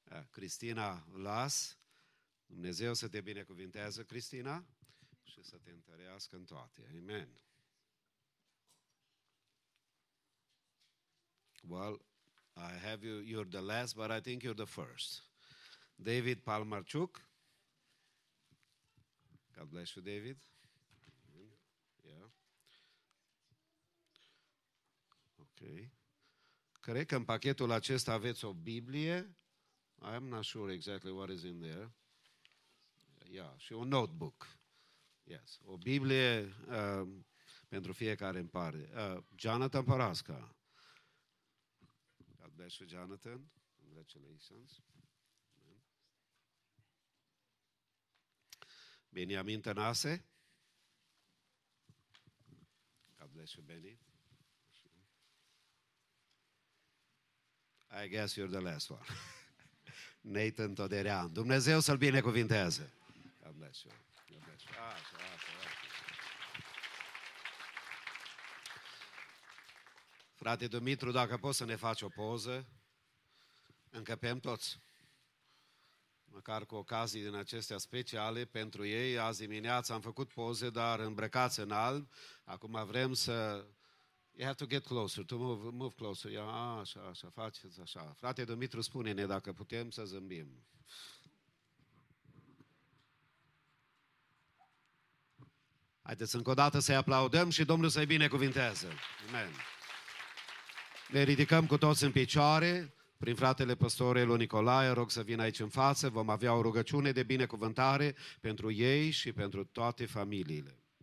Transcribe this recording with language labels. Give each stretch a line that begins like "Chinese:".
Romanian: Cristina Vlas, Dumnezeu să te binecuvinteze, Cristina, și să te întărească în toate. Amen.
English: Well, I have you, you're the last, but I think you're the first. David Palmarciuc. God bless you, David. Yeah. Okay.
Romanian: Cred că în pachetul acesta aveți o Biblie.
English: I'm not sure exactly what is in there.
Romanian: Yeah, și un notebook. Yes, o Biblie pentru fiecare în parte. Jonathan Parasca.
English: Bless you, Jonathan. Congratulations. Beniamin Tanase. God bless you, Benny. I guess you're the last one. Nathan Toderean.
Romanian: Dumnezeu să-l binecuvinteze.
English: God bless you. God bless you.
Romanian: Frate Dumitru, dacă poți să ne faci o poză, încăpem toți. Măcar cu ocazii din acestea speciale pentru ei. Azi dimineața am făcut poze, dar îmbrăcați în alb. Acum vrem să...
English: You have to get closer, to move closer.
Romanian: Ia, așa, așa, faceți așa. Frate Dumitru, spune-ne dacă putem să zâmbim. Haideți încă o dată să-i aplaudăm și Domnul să-i binecuvinteze. Amen. Ne ridicăm cu toți în picioare, prin fratele păstorul Nicolae, rog să vină aici în față, vom avea o rugăciune de binecuvântare pentru ei și pentru toate familiile.